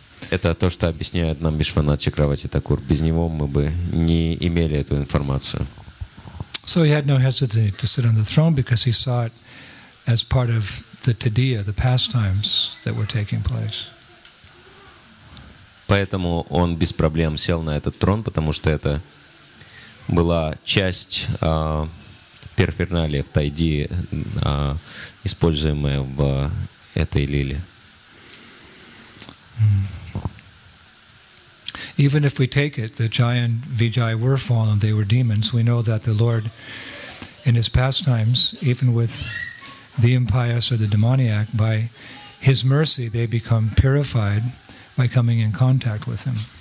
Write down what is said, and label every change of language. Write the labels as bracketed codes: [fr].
[ru] Это то, что объясняет нам Вишванат Чакравати Такур. Без него мы бы не имели эту информацию. [en] So he had no hesitancy to sit on the throne because he saw it as part of the tadiya, the pastimes that were taking place. [ru] Поэтому он без проблем сел на этот трон, потому что это была часть перферналии в тайди, используемая в этой лиле. [en] Even if we take it, the giant Vijay were fallen, they were demons, we know that the Lord, in his pastimes, even with the impious or the demoniac, by his mercy, they become purified by coming in contact with him.